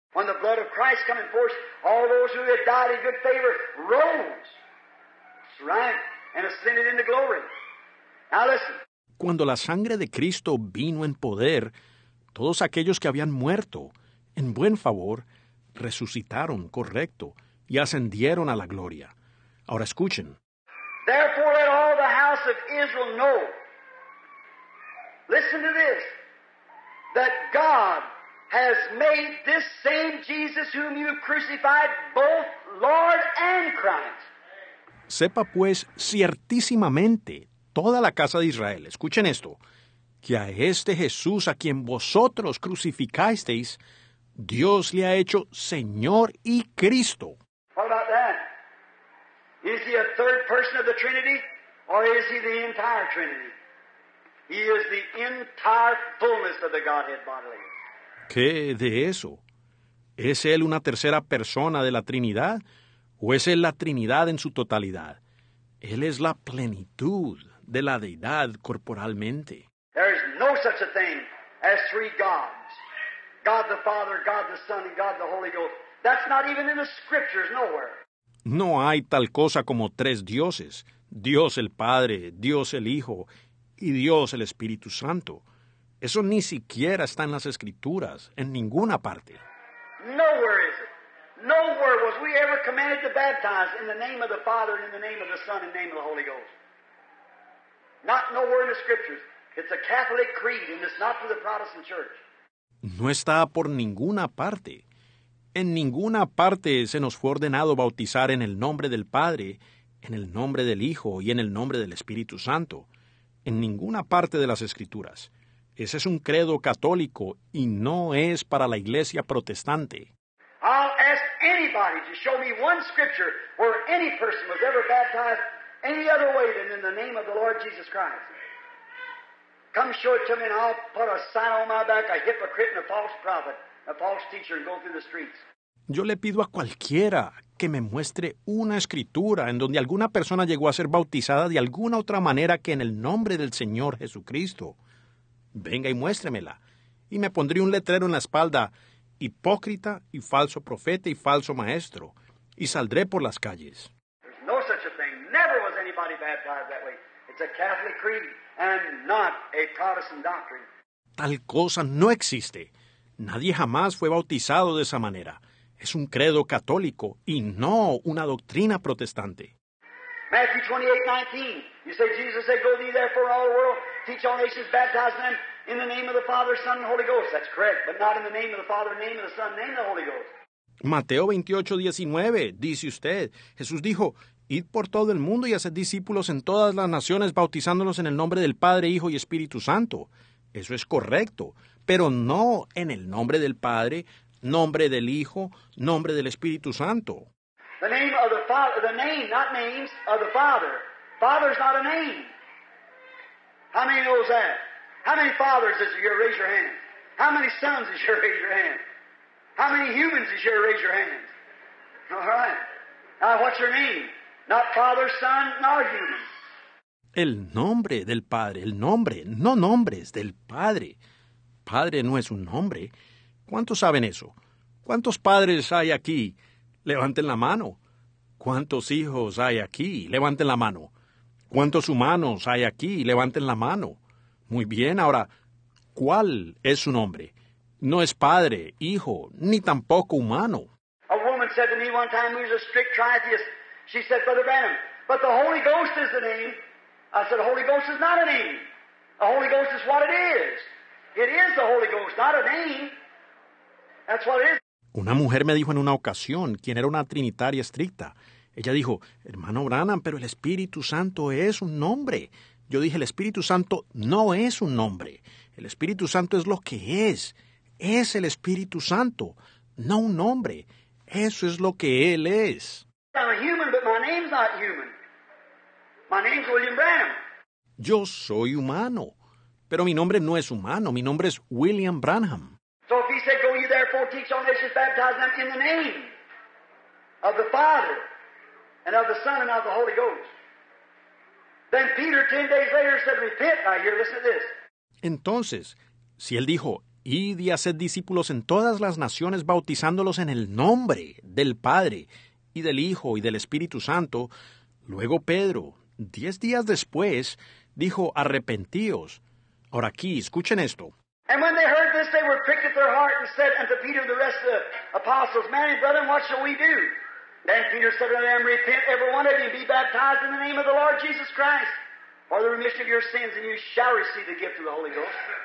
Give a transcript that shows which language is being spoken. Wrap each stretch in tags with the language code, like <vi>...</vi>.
<en>When the blood of Christ came forth, all those who had died in good favor rose. That's right. And ascended into glory. Now listen.</en> <es>Cuando la sangre de Cristo vino en poder, todos aquellos que habían muerto, en buen favor, resucitaron, correcto, y ascendieron a la gloria. Ahora escuchen.</es> <en>Therefore let all the house of Israel know, listen to this, that God has made this same Jesus whom you crucified both Lord and Christ.</en> <es>Sepa pues ciertísimamente toda la casa de Israel, escuchen esto, que a este Jesús a quien vosotros crucificasteis, Dios le ha hecho Señor y Cristo.</es> <en>What about that? Is he a third person of the Trinity, or is he the entire Trinity? He is the entire fullness of the Godhead bodily.</en> <es>¿Qué de eso? ¿Es él una tercera persona de la Trinidad, o es él la Trinidad en su totalidad? Él es la plenitud de la Deidad corporalmente.</es> <en>There is no such a thing as three gods. God the Father, God the Son, and God the Holy Ghost. That's not even in the Scriptures, nowhere.</en> <es>No hay tal cosa como tres dioses. Dios el Padre, Dios el Hijo, y Dios el Espíritu Santo. Eso ni siquiera está en las Escrituras, en ninguna parte.</es> <en>Nowhere is it. Nowhere was we ever commanded to baptize in the name of the Father, and in the name of the Son, and in the name of the Holy Ghost. Not nowhere in the Scriptures. It's a Catholic creed, and it's not for the Protestant Church.</en> <es>No está por ninguna parte. En ninguna parte se nos fue ordenado bautizar en el nombre del Padre, en el nombre del Hijo y en el nombre del Espíritu Santo. En ninguna parte de las Escrituras. Ese es un credo católico y no es para la Iglesia Protestante.</es> <en>I'll ask anybody to show me one scripture where any person was ever baptized any other way than in the name of the Lord Jesus Christ. Come show it to me and I'll put a sign on my back, a hypocrite and a false prophet, a false teacher, and go through the streets.</en> <es>Yo le pido a cualquiera que me muestre una escritura en donde alguna persona llegó a ser bautizada de alguna otra manera que en el nombre del Señor Jesucristo. Venga y muéstremela. Y me pondré un letrero en la espalda, hipócrita y falso profeta y falso maestro, y saldré por las calles.</es> <en>There's no such a thing. Never was anybody baptized that way. It's a Catholic creed. And not a Protestant doctrine.</en> <es>Tal cosa no existe. Nadie jamás fue bautizado de esa manera. Es un credo católico y no una doctrina protestante.</es> <en>Matthew 28:19. You say Jesus said, "Go ye therefore all the world, teach all nations, baptize them in the name of the Father, Son, and Holy Ghost." That's correct, but not in the name of the Father, name of the Son, name of the Holy Ghost.</en> <es>Mateo 28:19, dice usted, Jesús dijo, id por todo el mundo y haced discípulos en todas las naciones, bautizándolos en el nombre del Padre, Hijo y Espíritu Santo. Eso es correcto, pero no en el nombre del Padre, nombre del Hijo, nombre del Espíritu Santo.</es> <en>The name of the Father, the name, not names, of the Father. Father's not a name. How many knows that? How many fathers is your raise your hand? How many sons is your raise your hand? How many humans is your raise your hand? All right. Now, what's your name? Not Father, Son, nor human.</en> <es>El nombre del Padre, el nombre, no nombres, del Padre. Padre no es un nombre. ¿Cuántos saben eso? ¿Cuántos padres hay aquí? Levanten la mano. ¿Cuántos hijos hay aquí? Levanten la mano. ¿Cuántos humanos hay aquí? Levanten la mano. Muy bien, ahora, ¿cuál es su nombre? No es padre, hijo, ni tampoco humano.</es> <en>A woman said to me one time, who's a strict tritheist, she said, Brother Branham, but the Holy Ghost is the name. I said, the Holy Ghost is not a name. The Holy Ghost is what it is. It is the Holy Ghost, not a name. That's what it is.</en> <es>Una mujer me dijo en una ocasión, quien era una trinitaria estricta, ella dijo, hermano Branham, pero el Espíritu Santo es un nombre. Yo dije, el Espíritu Santo no es un nombre. El Espíritu Santo es lo que es. Es el Espíritu Santo, no un nombre. Eso es lo que Él es.</es> <en>I'm a human, but my name's not human. My name's William Branham.</en> <es>Yo soy humano, pero mi nombre no es humano. Mi nombre es William Branham.</es> <en>So if he said, go ye therefore, teach all nations, baptize them in the name of the Father, and of the Son, and of the Holy Ghost. Then Peter, 10 days later, said, repent. Now here, listen to this.</en> <es>Entonces, si él dijo, id y haced discípulos en todas las naciones, bautizándolos en el nombre del Padre, y del Hijo, y del Espíritu Santo, luego Pedro, 10 días después, dijo, arrepentíos. Ahora aquí, escuchen esto.</es> <en>And when they heard this, they were pricked at their heart and said unto Peter and the rest of the apostles, man and brethren, what shall we do? Then Peter said unto them, repent, every one of you, be baptized in the name of the Lord Jesus Christ for the remission of your sins, and you shall receive the gift of the Holy Ghost.</en>